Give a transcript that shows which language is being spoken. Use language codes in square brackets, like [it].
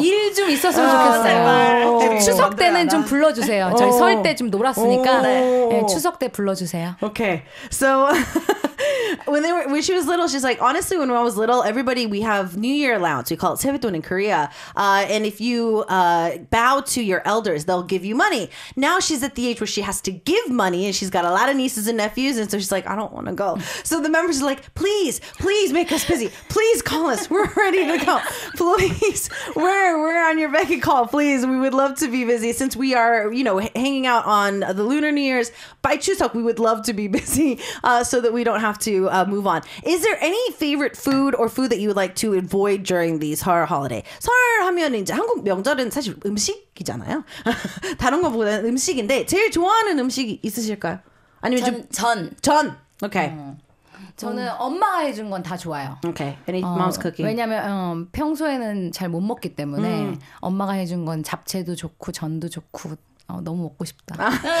[ko] 일 좀 있었으면 좋겠어요. 추석 때는 좀 불러주세요. 저희 설 때 좀 놀았으니까 네, 추석 때 불러주세요. 오케이. [en] So when she was little, she's like, honestly, when I was little, everybody, we have New Year allowance. We call it 세뱃돈 in Korea. And if you bow to your elders, they'll give you money. Now she's at the age where she has to give money, and she's got a lot of nieces and nephews, and so she's like, I don't want to go. So the members are like, please, please make us busy. Please call us. We're ready to go. Please. We're on your beck and call. Please. We would love to be busy. Since we are, you know, hanging out on the Lunar New Year's, by Chuseok, we would love to be busy so that we don't have to move on. Is there any favorite food or food that you would like to avoid during these SAR holiday? [ko] SAR 하면 이제 한국 명절은 사실 음식이잖아요. 다른 것보다는 음식인데 제일 좋아하는 음식 있으실까요? 아니면 전. 오케이. 저는 엄마가 해준 건 다 좋아요. [en] 오케이. Okay. Any mom's cooking. [ko] 왜냐하면 평소에는 잘 못 먹기 때문에 엄마가 해준 건 잡채도 좋고 전도 좋고 너무 먹고 싶다.